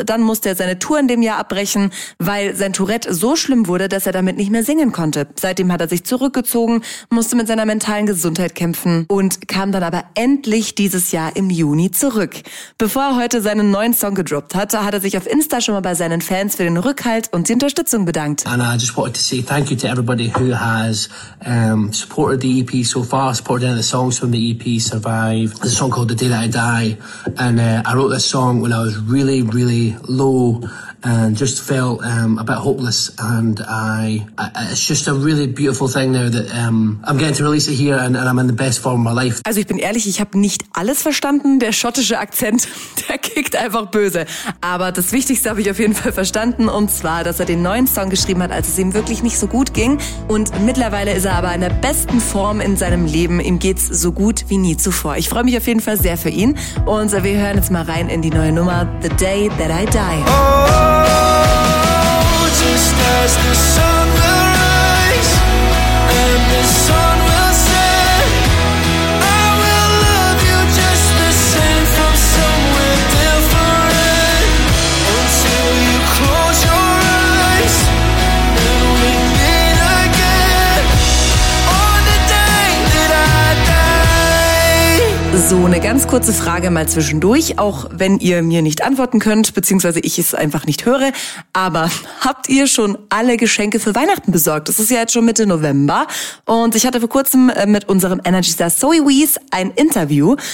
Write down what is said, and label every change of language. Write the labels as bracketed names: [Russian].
[German] Dann musste er seine Tour in dem Jahr abbrechen, weil sein Tourette so schlimm wurde, dass er damit nicht mehr singen konnte. Seitdem hat er sich zurückgezogen, musste mit seiner mentalen Gesundheit kämpfen und kam dann aber endlich dieses Jahr im Juni zurück. Bevor er heute seinen neuen Song gedroppt hat, da hat er sich auf Insta schon mal bei seinen Fans für den Rückhalt und die Unterstützung bedankt. [English] And I just wanted to say thank you to everybody who has supported the EP so far, supported any of the songs from the EP Survive. There's a song called The Day That I Die. And I wrote this song when I was really, really low and just felt a bit hopeless. And it's just a really beautiful thing now that I'm getting to release it here and I'm in the best form of my life. [German] Also ich bin ehrlich, ich habe nicht alles verstanden. Der schottische Akzent, der kickt einfach böse. Aber das Wichtigste habe ich auf jeden Fall verstanden. Und zwar, dass er den neuen Song geschrieben hat, als es ihm wirklich nicht so gut ging. Und mittlerweile ist er aber in der besten Form in seinem Leben. Ihm geht's so gut wie nie zuvor. Ich freue mich auf jeden Fall sehr für ihn. Und wir hören jetzt mal rein in die neue Nummer, The Day That I Die. Oh. [English] Oh, just as the sun will rise and the sun will set, I will love you just the same from somewhere different. Until you close your eyes and we meet again on the day that I die. [German] So, eine ganz kurze Frage mal zwischendurch, auch wenn ihr mir nicht antworten könnt, beziehungsweise ich es einfach nicht höre. Aber habt ihr schon alle Geschenke für Weihnachten besorgt? Es ist ja jetzt schon Mitte November und ich hatte vor kurzem mit unserem Energy-Star Zoe Wees ein Interview.